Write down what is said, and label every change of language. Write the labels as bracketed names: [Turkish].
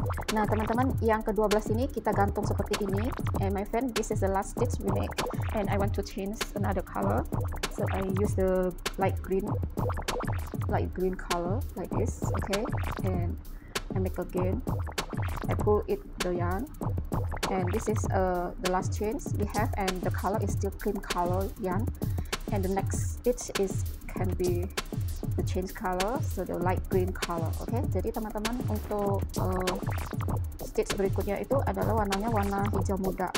[Indonesian] Nah teman-teman, yang ke-12 ini kita gantung seperti ini. [English] And my friend, this is the last stitch we make, and I want to change another color, so I use the light green color like this. Okay, and I make again, I pull it the yarn, and this is the last change we have, and the color is still cream color yarn, and the next stitch is can be the change color, so the light green color. [Indonesian] Okay, jadi teman-teman untuk stitch berikutnya itu adalah warnanya warna hijau muda.